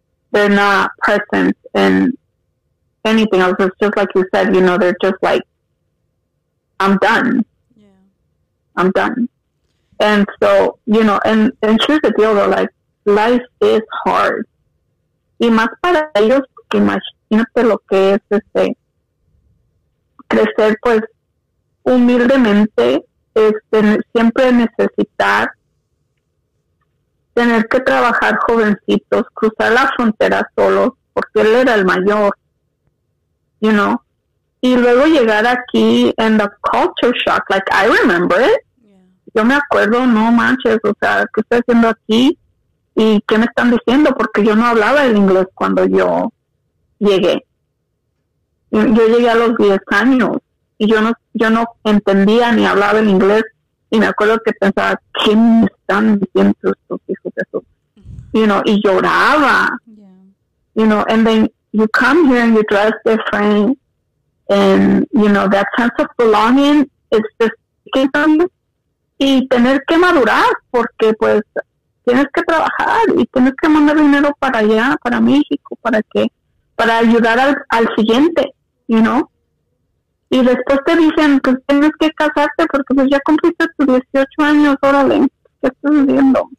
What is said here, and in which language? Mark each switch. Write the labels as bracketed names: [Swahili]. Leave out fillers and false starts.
[English] They're not present in anything else. It's just like you said, you know, they're just like, I'm done. Yeah. I'm done. And so, you know, and here's the deal, though, like, life is hard. [Spanish] Y más para ellos, imagínate lo que es este. Crecer, pues, humildemente, siempre necesitar tener que trabajar jovencitos, cruzar la frontera solos, porque él era el mayor, you know, y luego llegar aquí en [English] the culture shock, like, I remember it. Yeah. [Spanish] Yo me acuerdo, no manches, o sea, ¿qué estoy haciendo aquí? ¿Y qué me están diciendo? Porque yo no hablaba el inglés cuando yo llegué. Yo llegué a los 10 años. Y yo no entendía ni hablaba el inglés. Y me acuerdo que pensaba, ¿qué me están diciendo estos hijos de su? [English] You know, [Spanish] y lloraba. [English] Yeah. You know, and then you come here and you dress different. And, you know, that sense of belonging is just... [Spanish] Y tener que madurar, porque pues tienes que trabajar y tienes que mandar dinero para allá, para México, ¿para qué? Para ayudar al siguiente, [English] you know? [Spanish] Y después te dicen que tienes que casarte porque pues ya cumpliste tus 18 años, órale. ¿qué estás haciendo?